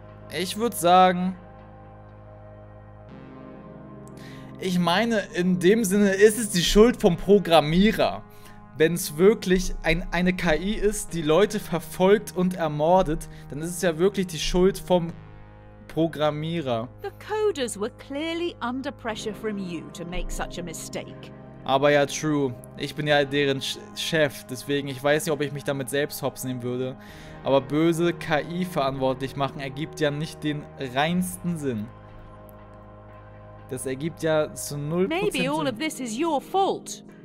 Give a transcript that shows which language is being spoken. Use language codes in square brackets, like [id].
[de] Ich würde sagen, ich meine, in dem Sinne ist es die Schuld vom Programmierer. Wenn es wirklich eine KI ist, die Leute verfolgt und ermordet, dann ist es ja wirklich die Schuld vom Programmierer. [en] The coders were clearly under pressure from you to make such a mistake. [de] Aber ja, true. Ich bin ja deren Chef, deswegen, ich weiß nicht, ob ich mich damit selbst hops nehmen würde. Aber böse KI verantwortlich machen ergibt ja nicht den reinsten Sinn. Das ergibt ja zu 0% [en] Maybe all of this is your fault.